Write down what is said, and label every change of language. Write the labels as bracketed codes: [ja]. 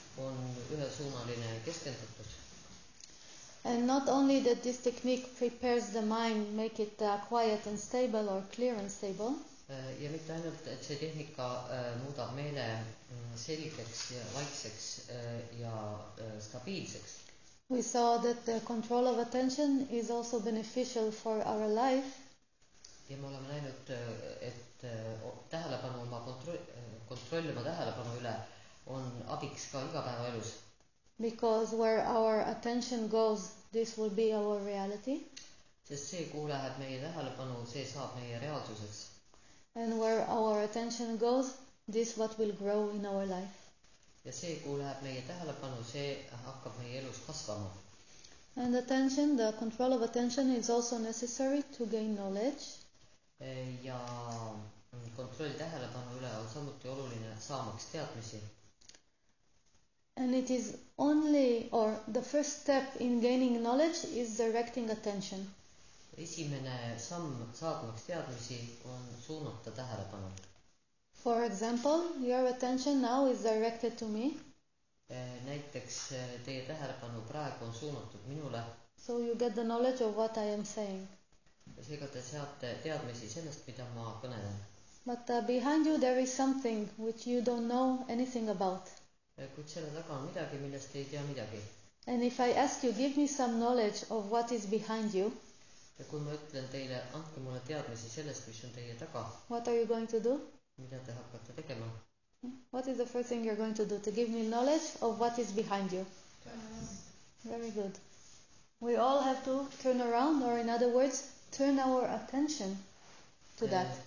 [et] On ühesuunaline keskendutus. [en] And not only that this technique prepares the mind, make it quiet and stable or clear and stable. [et] Ja mitte ainult, et see tehnika muudab meele selgeks ja vaikseks ja stabiilseks. [en] We saw that the control of attention is also beneficial for our life. [et] Ja me oleme näinud, et tähelepanu oma kontrollima tähelepanu üle on abiks ka igapäeva elus. [en] Because where our attention goes, this will be our reality. [et] Sest see, kuhu läheb meie tähelepanu, see saab meie reaalsuseks. [en] And where our attention goes, this what will grow in our life. [et] Ja see, kuhu läheb meie tähelepanu, see hakkab meie elus kasvama. [en] And attention, the control of attention is also necessary to gain knowledge. [et] Ja kontroll tähelepanu üle on samuti oluline saamaks teadmisi. [en] And it is only, or the first step in gaining knowledge is directing attention. [et] Esimene samm saadmaks teadmisi on suunata tähelepanu. [en] For example, your attention now is directed to me. [et] Näiteks teie tähelepanu praegu on suunatud minule. [en] So you get the knowledge of what I am saying. [et] Seega te saate teadmisi sellest, mida ma kõnelen. [en] But behind you there is something which you don't know anything about. [et] Kuid selle taga on midagi, millest ei tea midagi. [en] And if I ask you, give me some knowledge of what is behind you. [et] Ja kui ma ütlen teile, antke mulle teadmisi sellest, mis on teie taga. [en] What are you going to do? [et] Mida te hakkate tegema? [en] What is the first thing you're going to do? To give me knowledge of what is behind you. Very good. We all have to turn around, or in other words, turn our attention to that.